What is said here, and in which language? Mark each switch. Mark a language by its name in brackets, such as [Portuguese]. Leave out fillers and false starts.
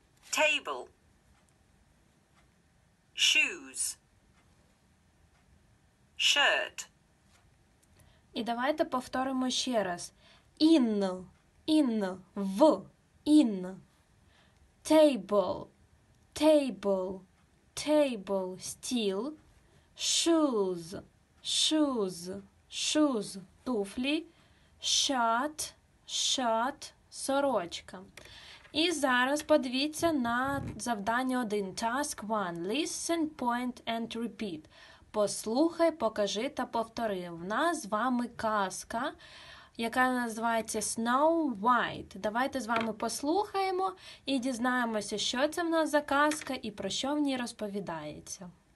[English] Table. Shoes. Shirt. [Ukrainian] І давайте повторимо ще раз. In. In, в, in, [English] Table, table, table, стіл. Shoes, shoes, shoes, туфлі. Shirt, shirt, сорочка. [Ukrainian] І зараз подивіться на завдання 1. [English] Task 1. Listen, point and repeat. [Ukrainian] Послухай, покажи та повтори. В нас з вами казка, яка називається Snow White. Давайте з вами послухаємо і дізнаємося, що це в нас за казка і про що в ній розповідається.